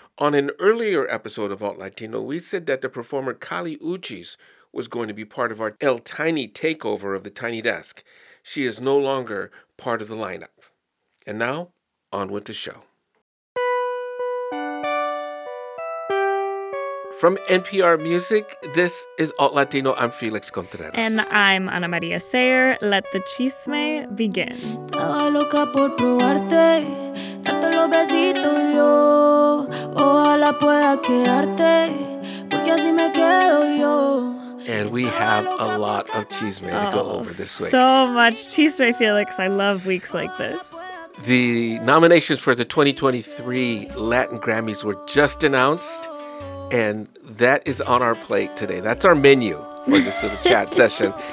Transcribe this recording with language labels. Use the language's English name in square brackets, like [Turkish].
[English] On an earlier episode of AltLatino, we said that the performer Kali Uchis was going to be part of our El Tiny takeover of the Tiny Desk. She is no longer part of the lineup. And now, on with the show. From NPR Music, this is AltLatino. I'm Felix Contreras. And I'm Ana Maria Sayer. Let the chisme begin. [Spanish] Estaba loca por probarte, darte los besitos yo. Ojalá pueda quedarte, porque así me quedo yo. [English] And we have a lot of chisme to go over this week. So much chisme, Felix. I love weeks like this. The nominations for the 2023 Latin Grammys were just announced. And that is on our plate today. That's our menu for this little chat session.